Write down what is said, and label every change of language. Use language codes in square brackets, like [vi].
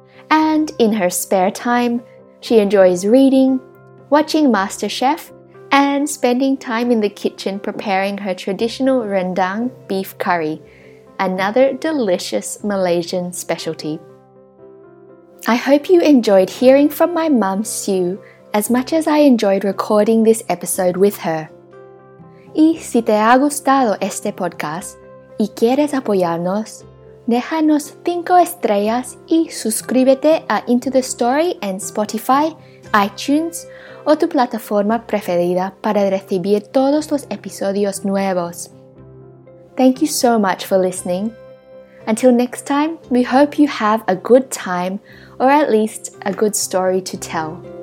[en] And in her spare time, she enjoys reading, watching MasterChef, and spending time in the kitchen preparing her traditional rendang beef curry, another delicious Malaysian specialty. I hope you enjoyed hearing from my mum, Sue, as much as I enjoyed recording this episode with her. [es] Y si te ha gustado este podcast y quieres apoyarnos, déjanos 5 estrellas y suscríbete a Into the Story en Spotify, iTunes o tu plataforma preferida para recibir todos los episodios nuevos. [en] Thank you so much for listening. Until next time, we hope you have a good time, or at least a good story to tell.